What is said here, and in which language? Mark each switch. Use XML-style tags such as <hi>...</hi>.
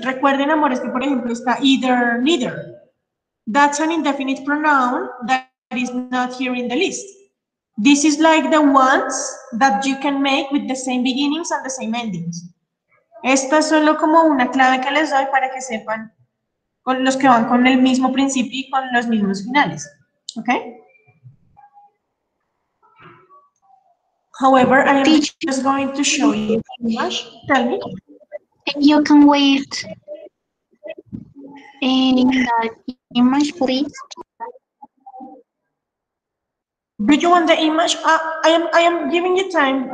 <es>Recuerden, amores, que por ejemplo está either, neither.</es> <en>That's an indefinite pronoun that is not here in the list. This is like the ones that you can make with the same beginnings and the same endings.</en> <es>Esta es solo como una clave que les doy para que sepan con los que van con el mismo principio y con los mismos finales.</es> <en>Okay? However, I am just going to show you. Tell me. You can wait in the image, please. Do you want the image? I am giving you time.</en>